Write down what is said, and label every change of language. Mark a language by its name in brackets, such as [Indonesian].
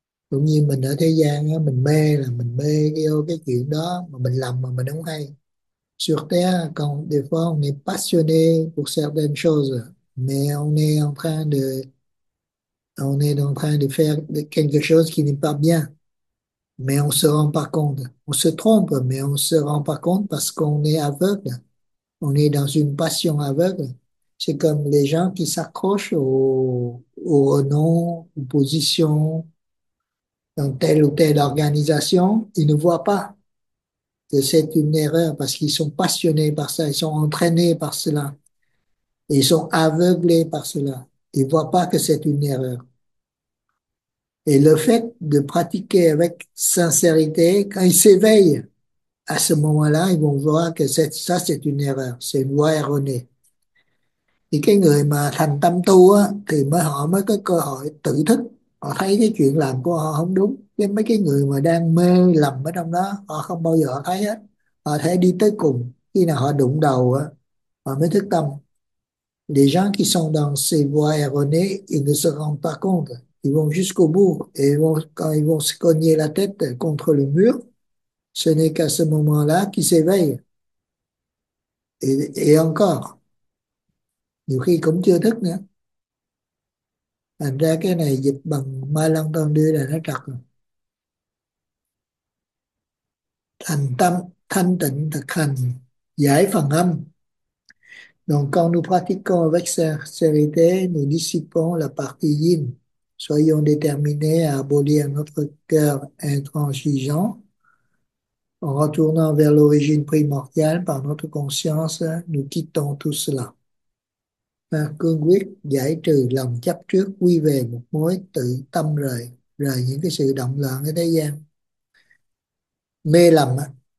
[Vietnamese] Cũng như mình ở thế gian á, mình mê là mình mê cái chuyện đó mà mình lầm mà mình không hay. [French] Sur terre, quand des fois on est passionné pour certaines choses, mais on est en train de faire quelque chose qui n'est pas bien, mais on se rend pas compte. On se trompe, mais on se rend pas compte parce qu'on est aveugle. On est dans une passion aveugle. C'est comme les gens qui s'accrochent au renom, aux positions dans telle ou telle organisation. Ils ne voient pas que c'est une erreur parce qu'ils sont passionnés par ça, ils sont entraînés par cela. Et ils sont aveuglés par cela. Ils ne voient pas que c'est une erreur. Et le fait de pratiquer avec sincérité, quand ils s'éveillent, à ce moment-là, ils vont voir que ça, c'est une erreur, c'est une voie erronée. [Vietnamese] Thì cái người mà thành tâm tu á, thì mới họ mới có cơ hội tự thức, họ thấy cái chuyện làm của họ không đúng. Cái mấy cái người mà đang mê lầm ở trong đó, họ không bao giờ họ thấy hết. Họ thấy đi tới cùng, khi nào họ đụng đầu á, họ mới thức tâm. [French] Les gens qui sont dans ces voies erronées, ils ne se rendent pas compte. Ils vont jusqu'au bout et quand ils vont se cogner la tête contre le mur, ce n'est qu'à ce moment-là qu'ils s'éveillent. Et encore. [Vietnamese] Nhiều khi cũng chưa thức nữa. Thành ra cái này dịch bằng Ma Lăng Tăng đưa là nó trật rồi. Thành tâm, thanh tịnh thực hành, giải phần âm. [French] Donc quand nous pratiquons avec sincérité, nous dissipons la partie yin. Soyons déterminés à abolir notre cœur intransigeant. En retournant vers l'origine primordiale par notre conscience, nous quittons tout cela. [Vietnamese] Và cương quyết giải trừ lòng chấp trước, quy về một mối tự tâm, rời rời những cái sự động loạn ở thế gian mê lầm á.